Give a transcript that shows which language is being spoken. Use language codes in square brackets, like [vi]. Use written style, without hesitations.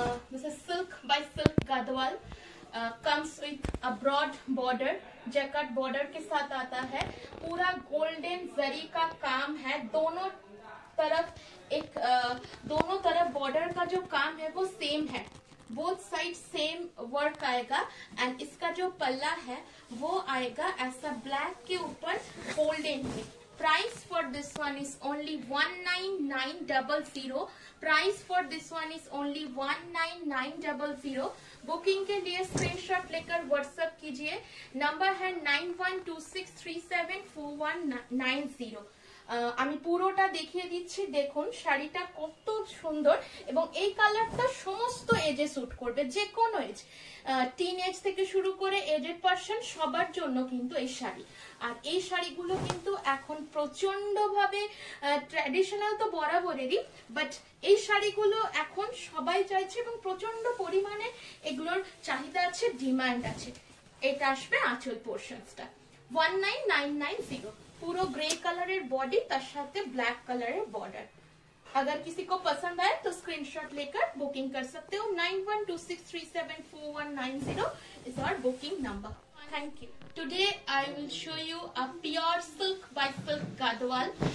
[en] This is silk by silk Gadwal. Comes with a broad border, jacket border [hi] के साथ आता है. पूरा golden zari का काम है. दोनों तरफ border का जो काम है वो same है. [en] both side same work [hi] आएगा एंड इसका जो पल्ला है वो आएगा ऐसा ब्लैक के ऊपर गोल्डन में. [en] Price for this one is only 19900. Price for this one is only 19900. [hi] Booking के लिए स्क्रीनशॉट लेकर व्हाट्सएप कीजिए. नंबर है 9126374190. [bn] আমি পুরোটা দেখিয়ে দিচ্ছি. দেখুন শাড়িটা কত সুন্দর এবং এই কালারটা সমস্ত এজে স্যুট করবে, যে কোন এজ, টিন এজ থেকে শুরু করে এজেড পারসন সবার জন্য কিন্তু এই শাড়ি. আর এই শাড়িগুলো কিন্তু এখন প্রচন্ড ভাবে ট্র্যাডিশনাল তো বরাবরেরই, বাট এই শাড়িগুলো এখন সবাই চাইছে এবং প্রচন্ড পরিমাণে এগুলোর চাহিদা আছে, ডিমান্ড আছে. এটা আসবে আঁচল পোর্শনটা 19990. पूरो grey colour body तशाते black colour border. [hi] अगर किसी को पसंद आए तो स्क्रीनशॉट लेकर बुकिंग कर सकते हो. [en] 9126374190 is our booking number. Thank you. Today I will show you a pure silk by silk Gadwal.